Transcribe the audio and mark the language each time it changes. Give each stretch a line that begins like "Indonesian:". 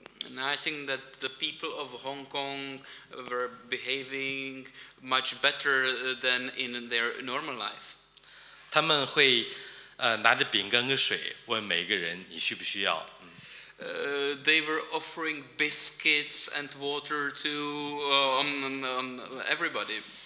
English: And I think that the people of Hong Kong were behaving much better than in their normal life.
Chinese: 他们会 拿着饼干跟水问每个人你需不需要
English: They were offering biscuits and water to everybody.